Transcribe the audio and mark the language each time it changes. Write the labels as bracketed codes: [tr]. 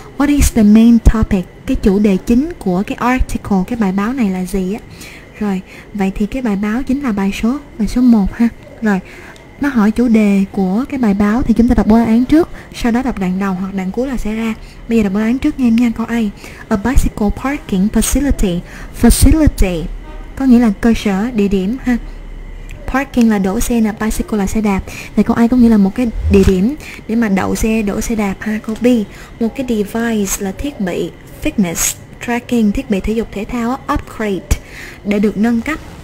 [en] What is the main topic? [vi] Cái chủ đề chính của cái article, cái bài báo này là gì á? Rồi vậy thì cái bài báo chính là bài số 1 ha. Rồi nó hỏi chủ đề của cái bài báo thì chúng ta đọc đáp án trước, sau đó đọc đoạn đầu hoặc đoạn cuối là sẽ ra. Bây giờ đọc đáp án trước nha em nha. Câu A, [en] a bicycle parking facility. [vi] Facility có nghĩa là cơ sở, địa điểm ha. Parking là đổ xe, là bicycle là xe đạp. Thì câu A có nghĩa là một cái địa điểm để mà đậu xe, đổ xe đạp ha. Câu B, một cái device là thiết bị fitness, tracking, thiết bị thể dục thể thao, upgrade, để được nâng cấp.